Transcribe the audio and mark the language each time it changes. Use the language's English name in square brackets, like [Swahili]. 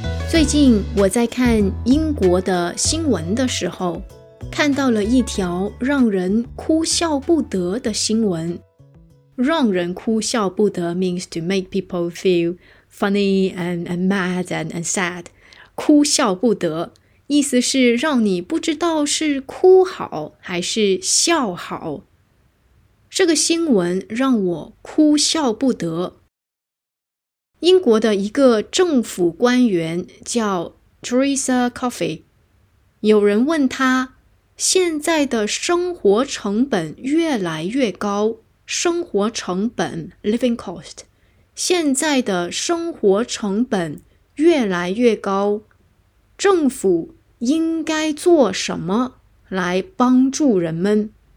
[Chinese] 最近我在看英国的新闻的时候，看到了一条让人哭笑不得的新闻。让人哭笑不得 [English] means to make people feel funny and mad and sad。 [Chinese] 哭笑不得意思是让你不知道是哭好还是笑好。这个新闻让我哭笑不得。英国的一个政府官员叫 Teresa Coffey， 有人问他，现在的生活成本越来越高，生活成本 living cost， 现在的生活成本越来越高，政府应该做什么来帮助人们？